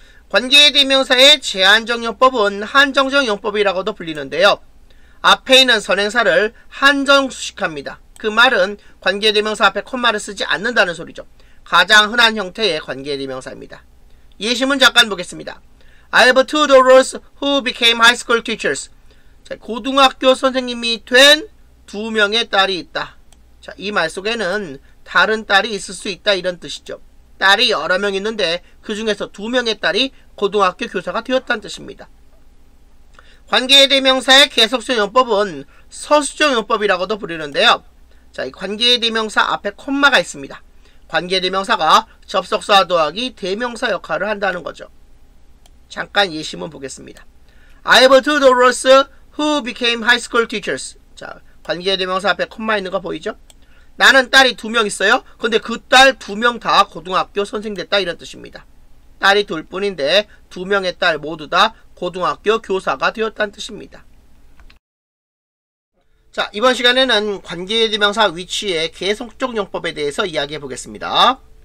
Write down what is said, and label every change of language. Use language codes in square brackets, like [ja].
[ko] 관계대명사의 제한적 용법은 한정적 용법이라고도 불리는데요. 앞에 있는 선행사를 한정수식합니다. 그 말은 관계대명사 앞에 콤마를 쓰지 않는다는 소리죠. 가장 흔한 형태의 관계대명사입니다. 예시문 잠깐 보겠습니다. [en] I have two daughters who became high school teachers. [ko] 자, 고등학교 선생님이 된 두 명의 딸이 있다. 자, 이 말 속에는 다른 딸이 있을 수 있다 이런 뜻이죠. 딸이 여러 명 있는데 그 중에서 두 명의 딸이 고등학교 교사가 되었다는 뜻입니다. 관계대명사의 계속적 용법은 서술적 용법이라고도 부르는데요. 자, 이 관계대명사 앞에 콤마가 있습니다. 관계대명사가 접속사 더하기 대명사 역할을 한다는 거죠. 잠깐 예시문 보겠습니다. [en] I have two daughters who became high school teachers. [ko] 자, 관계대명사 앞에 콤마 있는 거 보이죠? 나는 딸이 두 명 있어요. 근데 그 딸 두 명 다 고등학교 선생 됐다 이런 뜻입니다. 딸이 둘 뿐인데 두 명의 딸 모두 다 고등학교 교사가 되었다는 뜻입니다. 자, 이번 시간에는 관계대명사 위치의 계속적 용법에 대해서 이야기해 보겠습니다.